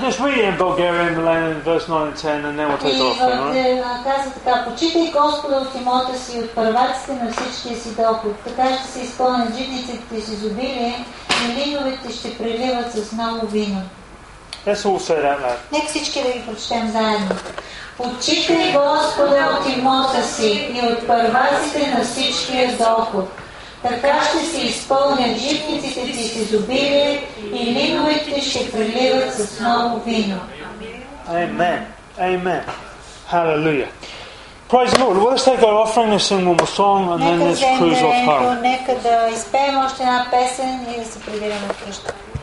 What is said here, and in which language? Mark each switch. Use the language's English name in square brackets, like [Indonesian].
[English] I just read it in Bulgarian, Romanian, verse 9 and 10, and then we'll take it off. [Bulgarian] И каза така, почитай Господа от имота си, от първаците на всичкия си доход. Така ще се изпълнят житниците ти с изобилие, и виновете ще преливат с много вино. [English] Let's all say that now. [Bulgarian] Нека всички да ги прочетем заедно. Почитай Господа от имота си и от първаците на всичкия доход. Така ще се изпълнят житниците ти с изобилие и линовете ще преливат с много вино. [English] Amen. Amen. Hallelujah. Praise the Lord. Well, let's take our offering and sing one more song and then let's cruise off home. [Bulgarian] Нека да изпеем още една песен и да се прибираме в къща.